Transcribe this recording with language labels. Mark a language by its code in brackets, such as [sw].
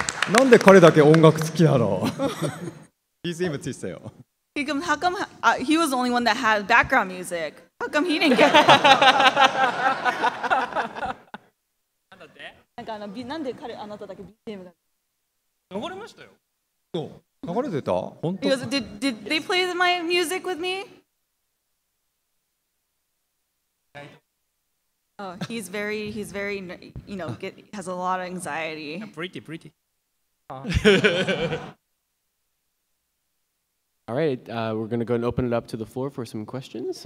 [ja] なんで彼だけ音楽好きなの BGM ついてたよ。 [en] He, come, how come, he was the only one that had background music. How come he didn't get [ja] it? なんだって？なんかあの、なんで彼、あなただけ BGM が流れましたよ。そう、流れてた？本当？ [en] Was, did they play my music with me? Oh, he's very, you know, has a lot of anxiety. I'm pretty. All right, we're going to go and open it up to the floor for some questions.